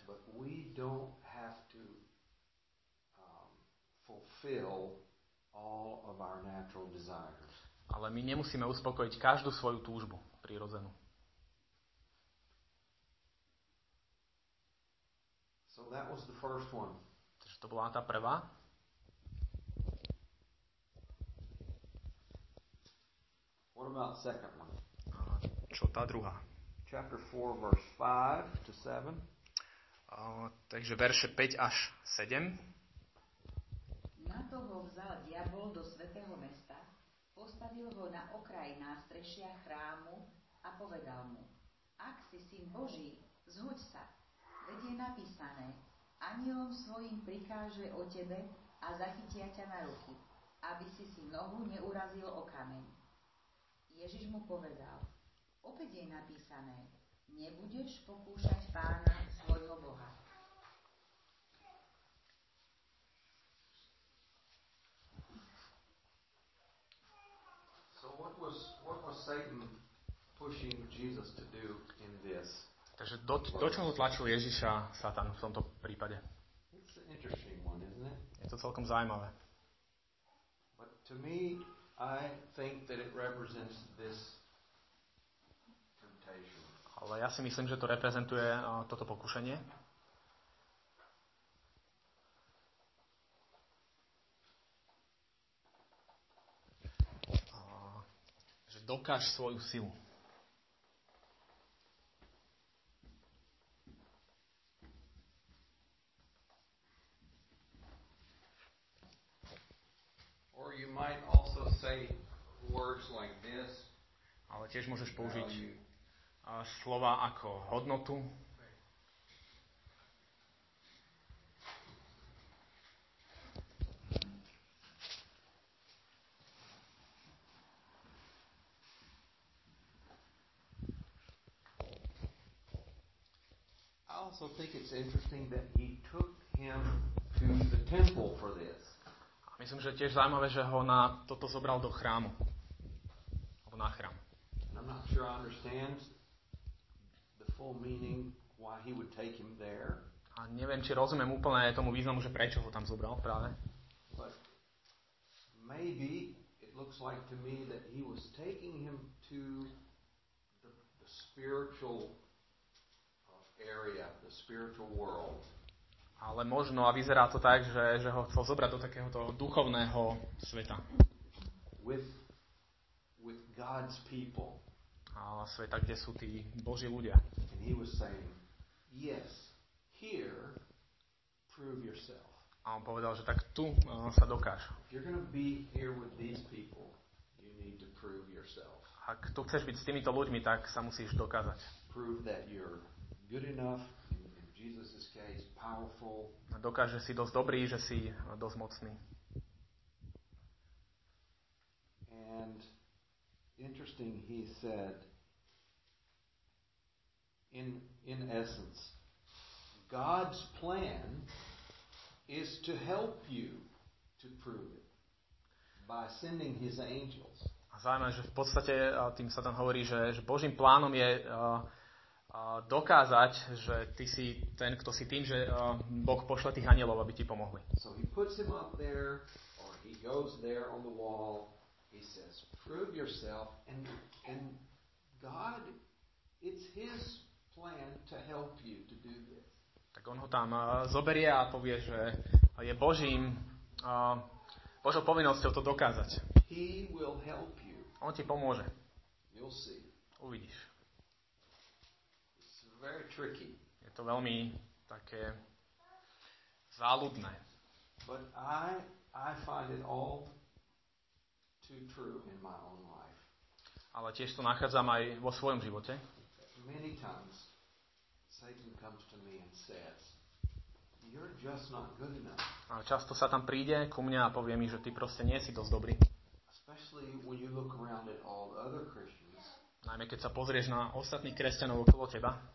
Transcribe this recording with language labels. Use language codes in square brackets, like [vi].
[en] But we don't have to fulfill all of our natural desires. [sk] Ale my nemusíme uspokojiť každú svoju túžbu prirodzenú. [en] So that was the first one. [sk] Takže to bola tá prvá. [en] What about the second one? [sk] Čo tá druhá? [en] Chapter 4, verse 5 to 7. [sk] Takže verše 5 až 7. Na to ho vzal diabol do svätého mesta, postavil ho na okraj nástrešia chrámu a povedal mu, ak si syn Boží, zhoď sa, veď je napísané, anjelom svojim prikáže o tebe a zachytia ťa na ruky, aby si si nohu neurazil o kameň. Ježiš mu povedal, opäť je napísané, nebudeš pokúšať Pána svojho Boha. [en] So what was Satan pushing Jesus to do in this? [sk] Takže do čoho tlačil Ježiša Satan v tomto prípade? [en] It's an interesting one, isn't it? [sk] Je to celkom zaujímavé. [en] But to me, I think that it represents this temptation. [sk] Ale ja si myslím, že to reprezentuje toto pokušenie. Že dokáž svoju silu. [en] Or you might also say words like this. [sk] Ale tiež môžeš použiť slova ako hodnotu. [en] I also think it's interesting that he took him to the temple for this. [sk] Myslím, že tiež zaujímavé, že ho na toto zobral do chrámu. Alebo na chrám. [en] I'm not sure I understand the full meaning why he would take him there. [sk] A neviem, či rozumiem úplne tomu významu, že prečo ho tam zobral práve. [en] But maybe it looks like to me that he was taking him to the spiritual area, the spiritual world. [sk] Ale možno a vyzerá to tak, že ho chcel zobrať do takéhoto duchovného sveta. [en] With God's people. [sk] A sveta, kde sú tí Boží ľudia. [en] And he was saying, yes, here, prove yourself. [sk] A on povedal, že tak tu sa dokáž. [en] If you're gonna be here with these people, you need to prove yourself. [sk] Ak tu chceš byť s týmito ľuďmi, tak sa musíš dokázať. [en] Prove that you're good enough. Jesus is case powerful. [sk] Dokáže si dosť dobrý, že si dosť mocný. [en] And interesting he said in essence God's plan is to help you to prove it by sending his angels. [sk] A zaujímavé, že v podstate tým Satan hovorí, že Božím plánom je dokázať, že ty si ten, kto si tým, že Boh pošle tých anielov, aby ti pomohli. [en] So he puts him up there, or he goes there on the wall, he says, prove yourself, and God, it's his plan to help you to do this. [sk] Tak on ho tam zoberie a povie, že je Božím, Božou povinnosťou to dokázať. [en] He will help you. [sk] On ti pomôže. [en] You'll see. [sk] Uvidíš. [en] It's very tricky. [sk] Je to veľmi také záludné. [en] But I find it all too true in my own life. [sk] Ale tiež to nachádzam aj vo svojom živote. [en] Many times Satan comes to me and says, you're just not good enough. [sk] A často sa tam príde ku mne a povie mi, že ty proste nie si dosť dobrý. [en] Especially when you look around at all the other Christians. [sk] Najmä keď sa pozrieš na ostatných kresťanov okolo teba.